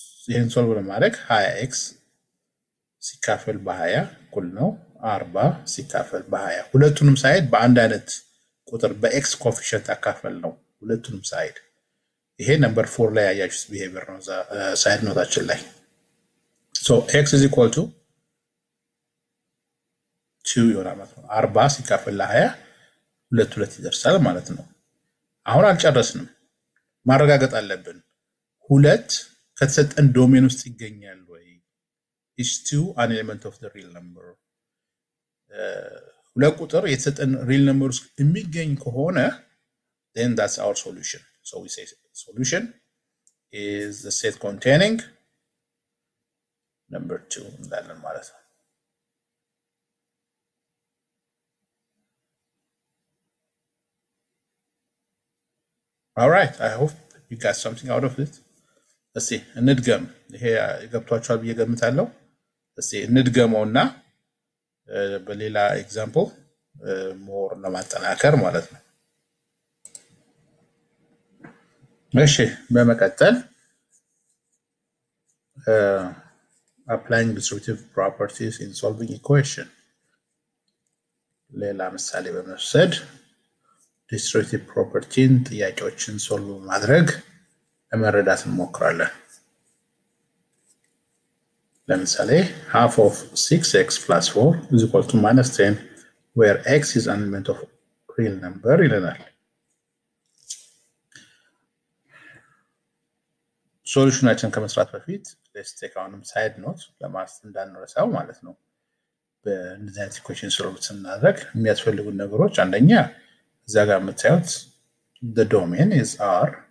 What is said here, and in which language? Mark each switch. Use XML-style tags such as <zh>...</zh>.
<am>ይሄን ሶልቭ ለማድረግ 20x ሲካፈል በ20 እኩል ነው 40 ሲካፈል በ20 ሁለቱንም ሳይድ በአንድ አይነት ቁጥር በx ኮፊሽንት አካፈል ነው ሁለቱንም ሳይድ። ይሄ ነምበር 4 ላይ ያያችሁት ቢሄቪየር ነው ዛ ሳይድ ኖታችን ላይ። ሶ</am> <en>x is equal to</en> <am>2 ይሆናል ማለት ነው። 40 ሲካፈል ለ20 ሁለት ሁለት ይደርሳል ማለት ነው። አሁን አልጨረስንም። ማረጋገጥ አለብን ሁለት ከተሰጠን ዶሜን ውስጥ ይገኛል ወይ?</am> <en>is 2 an element of the real number?</en> <am>ሁለት ቁጥር የተሰጠን ሪል ነምበር ውስጥ የሚገኝ ከሆነ</am> <en>then that's our solution. So we say solution is the set containing number 2</en> <am>እንዳለ ማለት ነው።</am> <en>All right, I hope you got something out of it. Let's see,</en> <am>እንድገም። ይሄ ይገብቷችኋል ብዬ ገምታለሁ። Let's see, እንድገመውና በሌላ example more ለማጠናከር ማለት ነው። እሺ በመቀጠል</am> <en>applying distributive properties in solving equation</en> <am>ሌላ ምሳሌ በመውሰድ distributive property ጥያቄዎችን ሶልቭ ማድረግ ለመረዳት እንሞክራለን። ለምሳሌ</am> <en>half of 6x plus 4 is equal to minus 10 where x is an element of real number</en> <am>ይለናል። ሶሉሽናችን ከመስራት በፊት</am> <en>let's take on side note</en> <am>ለማስተ እንዳንረሳው ማለት ነው። በእንደዚህ አይነት ኢኩዌሽን ሶሉሽን እናደርግ የሚያስፈልጉ ነገሮች አንደኛ እዛ ጋር የምታዩት</am> <en>the domain is R.</en>